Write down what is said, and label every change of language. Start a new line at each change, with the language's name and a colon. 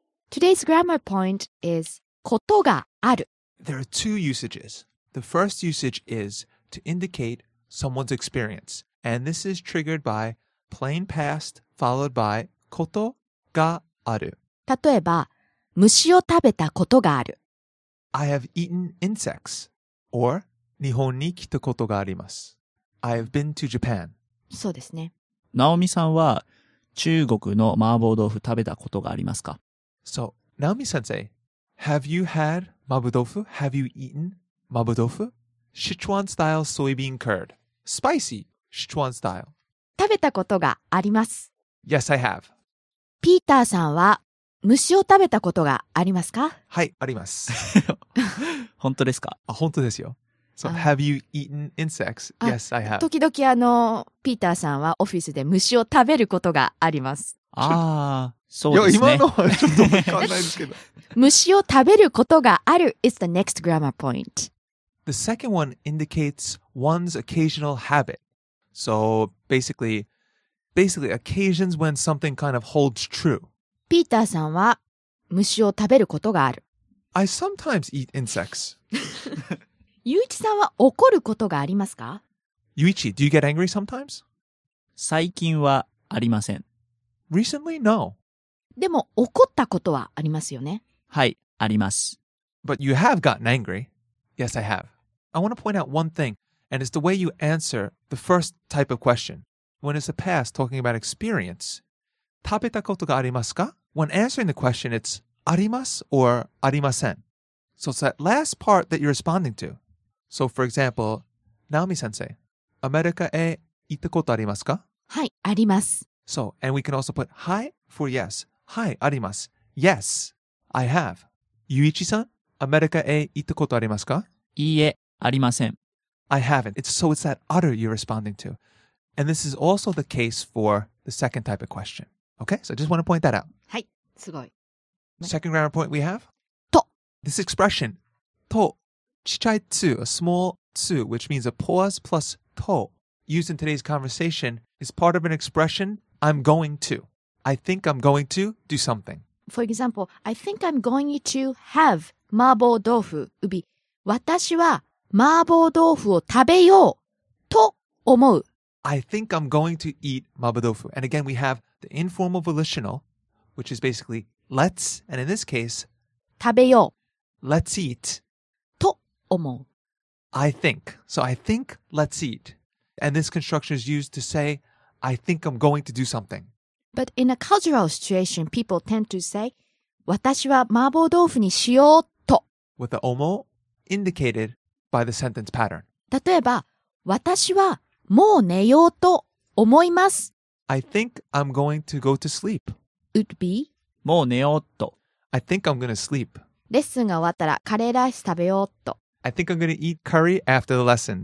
English: Today's grammar point is ことがある. There are two usages. The first usage is to indicate someone's experience. And this is triggered by plain past followed by ことがある.
Japanese: 例えば、虫を食べたことがある.
English: I have eaten insects.
Japanese: Or, 日本に来たことがあります。
English: I have been to Japan.
Japanese: そうですね。ナオミさんは中国の麻婆豆腐食べたことがありますか?
English: So, Naomi sensei, have you had 麻婆豆腐? Have you eaten 麻婆豆腐?Sichuan style soybean curd. Spicy, Sichuan style.
Japanese: 食べたことがあります。
English: Yes, I have.
Japanese: ピーターさんは虫を食べたことがありますか? はい、あります。本当ですか? あ、本当ですよ。
English: So, have you eaten insects? Yes, I have.
Japanese: 時々ピーターさんはオフィスで虫を食べることがあります。ああ、そうですね。いや、今のはちょっとわかんないですけど。虫を食べることがある
English: is the next grammar point. The second one indicates one's occasional habit. So, basically occasions when something kind of holds true.
Japanese: ピーターさんは虫を食べることがある。
English: I sometimes eat insects.
Japanese: ユイチさんは怒ることがありますか?
English: ユイチ, do you get angry sometimes?
Japanese: 最近はありません。
English: Recently, no.
Japanese: でも怒ったことはありますよね。はい、あります。
English: But you have gotten angry. Yes, I have. I want to point out one thing, and it's the way you answer the first type of question. When it's a past talking about experience,
Japanese: 食べたことがありますか?
English: When answering the question, it's あります or ありません. So it's that last part that you're responding to. So for example, Naomi sensei,
Japanese: アメリカへ行ったことありますか? はい、あります。
English: So, and we can also put はい for yes.
Japanese: はい、あります。
English: Yes, I have.
Japanese: ゆいちさん、アメリカへ行ったことありますか? いいえ、ありません。
English: I haven't. It's that other you're responding to. And this is also the case for the second type of question. Okay, so I just want to point that out.
Japanese: はい、すごい。
English: Second grammar point we have?
Japanese: と。
English: This expression, と、ちっちゃいつ、a small つ, which means a pause plus と, used in today's conversation, is part of an expression, I'm going to. I think I'm going to do something. For example, I think I'm going to have 麻婆豆腐 would be,
Japanese: 私は麻婆豆腐を食べようと思う。
English: I think I'm going to eat 麻婆豆腐. And again, we have the informal volitional, which is basically let's, and in this case,
Japanese: 食べよう。
English: Let's eat.
Japanese: と思う。
English: I think. So I think let's eat. And this construction is used to say, I think I'm going to do something. But in a cultural situation, people tend to say,
Japanese: 私は麻婆豆腐にしようと。
English: With the 思う indicated by the sentence pattern.
Japanese: 例えば、私はもう寝ようと思います。
English: I think I'm going to go to sleep. Would be?
Japanese: もう寝ようと。
English: I think I'm going to sleep.
Japanese: レッスンが終わったらカレーライス食べようと。
English: I think I'm going to eat curry after the lesson.